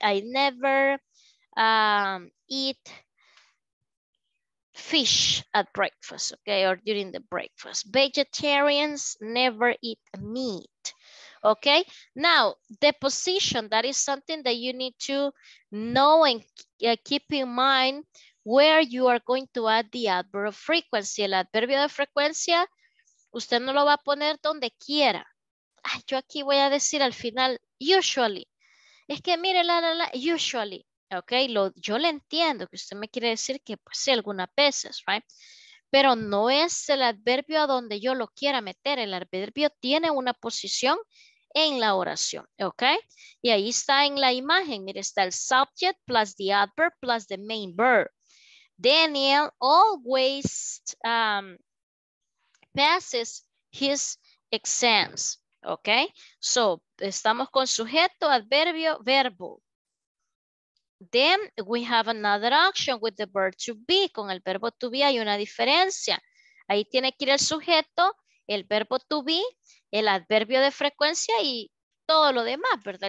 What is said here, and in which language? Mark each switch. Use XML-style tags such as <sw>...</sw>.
<en>I never eat fish at breakfast, okay? Or during the breakfast. Vegetarians never eat meat, okay? Now, deposition, that is something that you need to know and keep in mind where you are going to add the adverb of frequency.</en> <es>El adverbio de frecuencia, usted no lo va a poner donde quiera. Ay, yo aquí voy a decir al final, usually. Es que mire, usually. Ok, yo le entiendo que usted me quiere decir que pues sí, algunas veces, right? Pero no es el adverbio a donde yo lo quiera meter. El adverbio tiene una posición en la oración, ok? Y ahí está en la imagen. Mire, está el</es> <en>subject plus the adverb plus the main verb. Daniel always passes his exams, ok?</en> <es>So, estamos con sujeto, adverbio, verbo.</es> <en>Then we have another action with the verb to be.</en> <es>Con el verbo to be hay una diferencia. Ahí tiene que ir el sujeto, el verbo to be, el adverbio de frecuencia y todo lo demás, ¿verdad?</es>